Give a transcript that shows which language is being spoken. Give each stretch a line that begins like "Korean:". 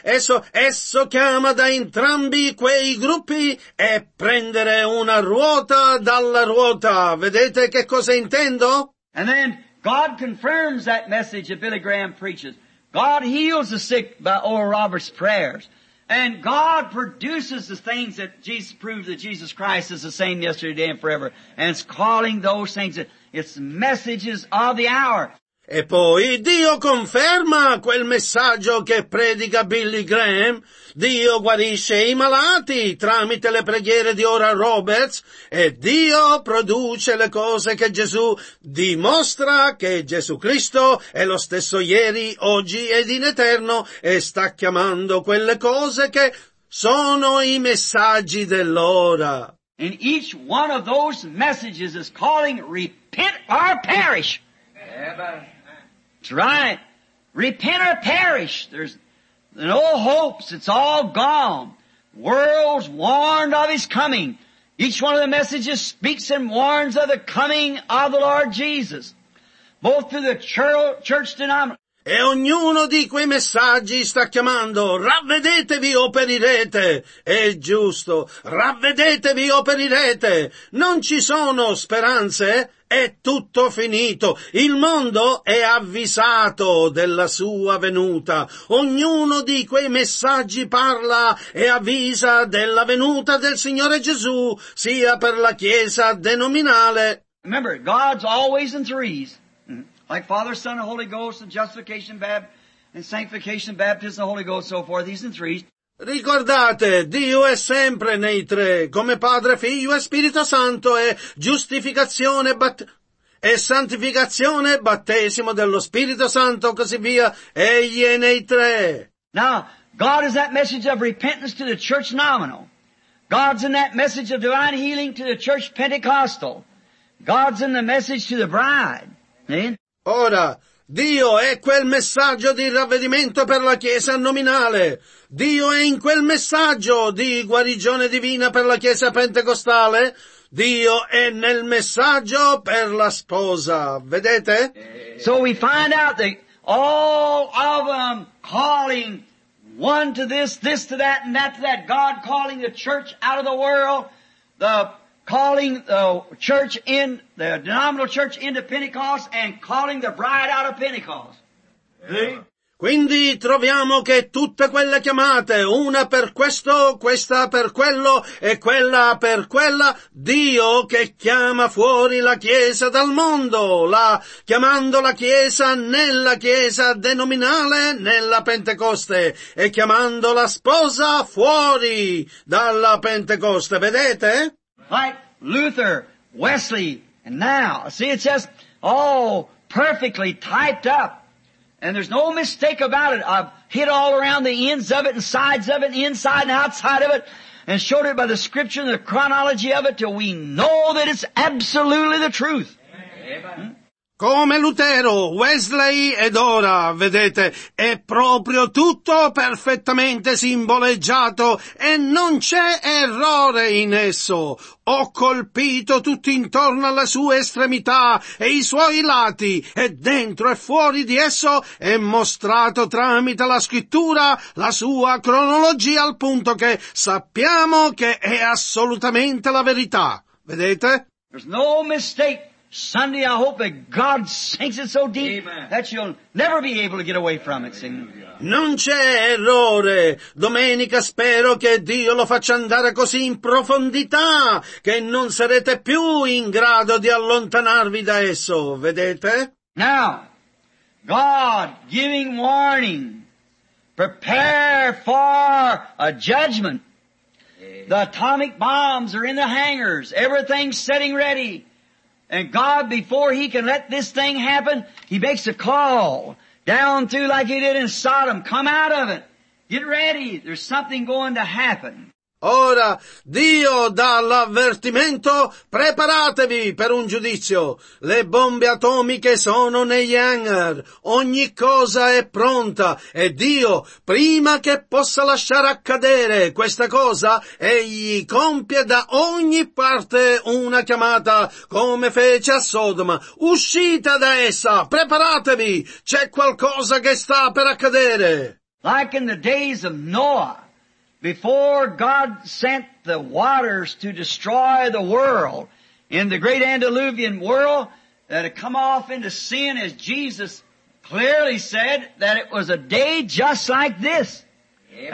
Italian: Esso chiama da entrambi quei gruppi e prendere una ruota dalla ruota. Vedete che cosa intendo?
English: And then God confirms that message that Billy Graham preaches. God heals the sick by Oral Roberts' prayers. And God produces the things that Jesus proves that Jesus Christ is the same yesterday, today, and forever. And it's calling those things. It's messages of the hour.
Italian: E poi Dio conferma quel messaggio che predica Billy Graham. Dio guarisce i malati tramite le preghiere di Oral Roberts e Dio produce le cose che Gesù dimostra che Gesù Cristo è lo stesso ieri, oggi ed in eterno e sta chiamando quelle cose che sono i messaggi dell'ora.
English: And each one of those messages is calling repent or perish. That's right. Repent or perish. There's no hopes. It's all gone. World's warned of His coming. Each one of the messages speaks and warns of the coming of the Lord Jesus. Both through the church denomination.
Italian: E ognuno di quei messaggi sta chiamando, ravvedetevi o perirete. È giusto, ravvedetevi o perirete. Non ci sono speranze, è tutto finito. Il mondo è avvisato della sua venuta. Ognuno di quei messaggi parla e avvisa della venuta del Signore Gesù, sia per la Chiesa denominale.
English: Remember, God's always in threes. Like Father, Son, and Holy Ghost, and justification, and sanctification, baptism, and the Holy Ghost, so forth. He's in threes.
Italian: Ricordate, Dio è sempre nei tre, come Padre, Figlio e Spirito Santo, e giustificazione, e santificazione, battesimo dello Spirito Santo, così via. Egli è nei tre.
English: Now, God is that message of repentance to the church nominal. God's in that message of divine healing to the church Pentecostal. God's in the message to the bride.
Italian: Ora, Dio è quel messaggio di ravvedimento per la Chiesa nominale. Dio è in quel messaggio di guarigione divina per la Chiesa pentecostale. Dio è nel messaggio per la sposa. Vedete?
English: So we find out that all of them calling one to this, this to that, and that to that. God calling the church out of the world. The calling the church in, the denominational church into Pentecost and calling the bride out of Pentecost.
Italian: Quindi troviamo che tutte quelle chiamate, una per questo, questa per quello e quella per quella, Dio che chiama fuori la Chiesa dal mondo, la chiamando la Chiesa nella Chiesa denominale, nella Pentecoste, e chiamando la sposa fuori dalla Pentecoste, vedete?
English: Like Luther, Wesley, and now, see it's just all perfectly typed up. And there's no mistake about it. I've hit all around the ends of it and sides of it, inside and outside of it, and showed it by the scripture and the chronology of it till we know that it's absolutely the truth.
Italian: Come Lutero, Wesley ed ora, vedete, è proprio tutto perfettamente simboleggiato e non c'è errore in esso. Ho colpito tutto intorno alla sua estremità e i suoi lati e dentro e fuori di esso è mostrato tramite la scrittura la sua cronologia al punto che sappiamo che è assolutamente la verità. Vedete?
English: There's no mistake. Sunday, I hope that God sinks it so deep that you'll never be able to get away from it.
Italian: Non c'è errore. Domenica spero che Dio lo faccia andare così in profondità che non sarete più in grado di allontanarvi da esso. Vedete?
English: Now, God giving warning, prepare for a judgment. The atomic bombs are in the hangars. Everything's setting ready. And God, before he can let this thing happen, he makes a call down through like he did in Sodom. Come out of it. Get ready. There's something going to happen.
Italian: Ora, Dio dà l'avvertimento, preparatevi per un giudizio. Le bombe atomiche sono negli hangar, ogni cosa è pronta, e Dio, prima che possa lasciare accadere questa cosa, egli compie da ogni parte una chiamata, come fece a Sodoma. Uscite da essa, preparatevi, c'è qualcosa che sta per accadere.
English: Like in the days of Noah. Before God sent the waters to destroy the world, in the great antediluvian world, that had come off into sin, as Jesus clearly said, that it was a day just like this. Yep.